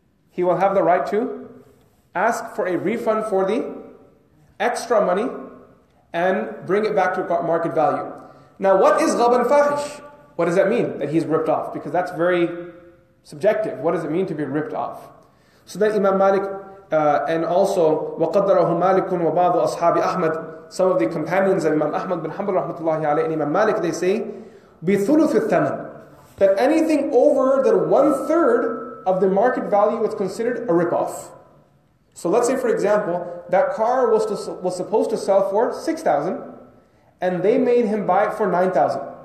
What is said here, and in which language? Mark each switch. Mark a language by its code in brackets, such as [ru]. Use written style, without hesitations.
[en] He will have the right to ask for a refund for the extra money and bring it back to market value. Now what is ghaban fahish? What does that mean, that he's ripped off? Because that's very subjective. What does it mean to be ripped off? So then Imam Malik and also [ar] وَقَدَّرَهُ مَالِكٌ وَبَعْضُ أَصْحَابِ أَحْمَدٍ. [en] Some of the companions of Imam Ahmad bin Hanbal rahmatullahi alayhi and Imam Malik, they say [ar] بِثُلُثُ الثَّمَنِ, [en] that anything over that one-third of the market value was considered a rip-off. So let's say, for example, that car was supposed to sell for 6,000 and they made him buy it for 9,000.